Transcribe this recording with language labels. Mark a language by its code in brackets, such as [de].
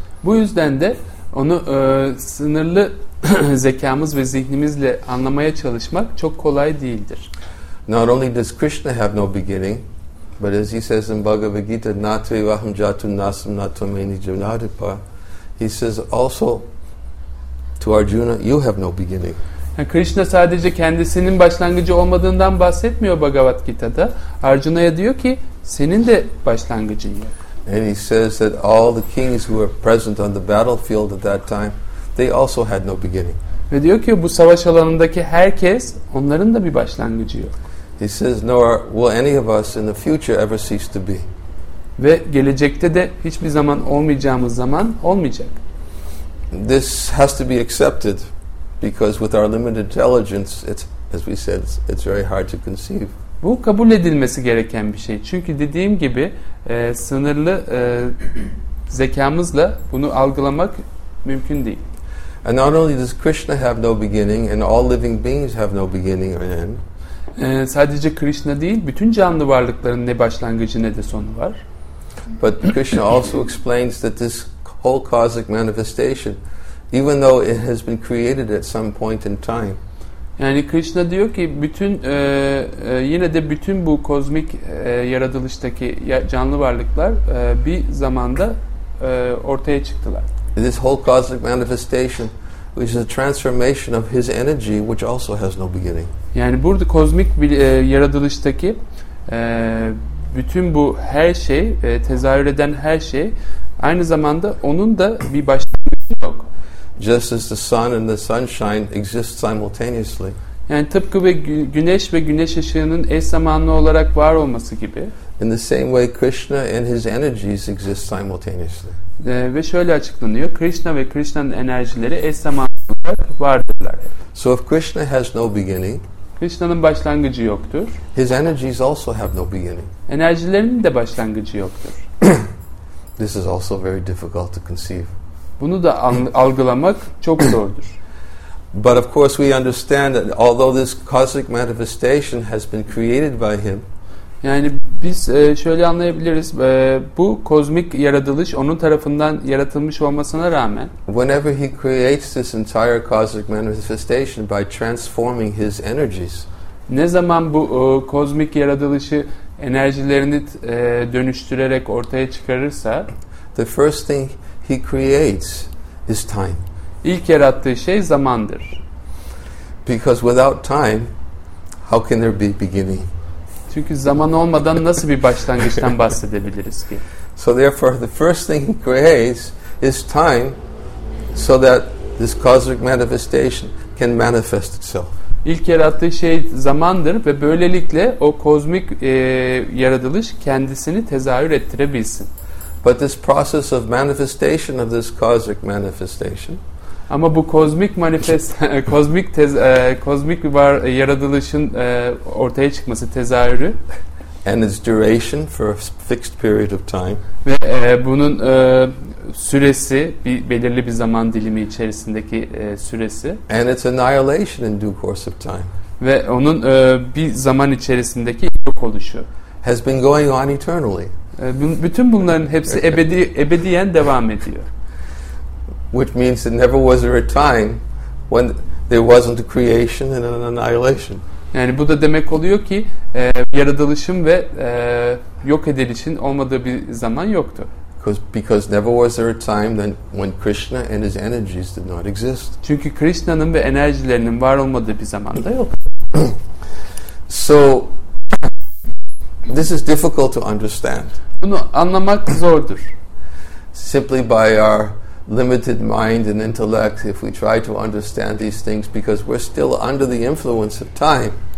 [tr] Bu yüzden de onu sınırlı zekamız ve zihnimizle anlamaya çalışmak çok kolay değildir. [en] Not only does Krishna have no beginning, but as he says in Bhagavad Gita, [sa] natve vaham jatum nasam natvameni jivnadipa, [en] he says also to Arjuna, you have no beginning. [tr] Yani Krishna sadece kendisinin başlangıcı olmadığından bahsetmiyor Bhagavad Gita'da. Arjuna'ya diyor ki senin de başlangıcın yok. [en] And he says that all the kings who were present on the battlefield at that time, they also had no beginning. [tr] Ve diyor ki bu savaş alanındaki herkes, onların da bir başlangıcı yok. [en] He says nor will any of us in the future ever cease to be. [tr] Ve gelecekte de hiçbir zaman olmayacağımız zaman olmayacak. [en] This has to be accepted because with our limited intelligence as we said it's very hard to conceive. [tr] Bu kabul edilmesi gereken bir şey. Çünkü dediğim gibi sınırlı zekamızla bunu algılamak mümkün değil. [en] And not only does Krishna have no beginning and all living beings have no beginning or end. [tr] Sadece Krishna değil, bütün canlı varlıkların ne başlangıcı ne de sonu var. [en] But Krishna also explains that this whole cosmic manifestation, even though it has been created at some point in time. [tr] Yani Krishna diyor ki bütün yine de bütün bu kozmik yaratılıştaki canlı varlıklar bir zamanda ortaya çıktılar. [en] This whole cosmic manifestation, which is a transformation of his energy, which also has no beginning. [tr] Yani burada kozmik bir yaratılıştaki bütün bu her şey, tezahür eden her şey, aynı zamanda onun da bir başlangıcı yok. [en] just as the sun and the sunshine exist simultaneously. [tr] Yani tıpkı bir güneş ve güneş ışığının eş zamanlı olarak var olması gibi. [en] In the same way, Krishna and his energies exist simultaneously. [tr] Ve şöyle açıklanıyor, Krishna ve Krishna'nın enerjileri eş zamanlı olarak vardırlar. [en] So if Krishna has no beginning, [tr] Krishna'nın başlangıcı yoktur. [en] His energies also have no beginning. [tr] Enerjilerinin de başlangıcı yoktur. [en] This is also very difficult to conceive. [tr] Bunu da algılamak çok zordur. [en] But of course we understand that although this cosmic manifestation has been created by him. [tr] Yani biz şöyle anlayabiliriz. Bu kozmik yaratılış onun tarafından yaratılmış olmasına rağmen [en] whenever he creates this entire cosmic manifestation by transforming his energies. [tr] Ne zaman bu kozmik yaratılışı enerjilerini dönüştürerek ortaya çıkarırsa [en] the first thing he creates is time. [tr] İlk yarattığı şey zamandır. [en] Because without time, how can there be beginning? [tr] Çünkü zaman olmadan nasıl bir başlangıçtan bahsedebiliriz ki? [en] So therefore, the first thing he creates is time, so that this cosmic manifestation can manifest itself. [tr] İlk yarattığı şey zamandır ve böylelikle o kozmik yaratılış kendisini tezahür ettirebilsin. [en] But this process of manifestation of this cosmic manifestation. [tr] Ama bu kozmik manifest, kozmik tez, kozmik var yaratılışın ortaya çıkması tezahürü. [en] And its duration for a fixed period of time. [tr] Ve bunun süresi, bir belirli bir zaman dilimi içerisindeki süresi. [en] And its annihilation in due course of time. [tr] Ve onun bir zaman içerisindeki yok oluşu. [en] Has been going on eternally. [tr] Bütün bunların hepsi ebediyen devam ediyor. [en] Which means that never was there a time when there wasn't a creation and an annihilation. [tr] Yani bu da demek oluyor ki yaratılışın ve yok edilişin olmadığı bir zaman yoktu. [en] Because never was there a time then when Krishna and his energies did not exist. [tr] Çünkü Krishna'nın ve enerjilerinin var olmadığı bir zaman da yok. [en] So this is difficult to understand. [tr] Bunu anlamak zordur. [en] Simply by our limited mind and intellect if we try to understand these things because we're still under the influence of time.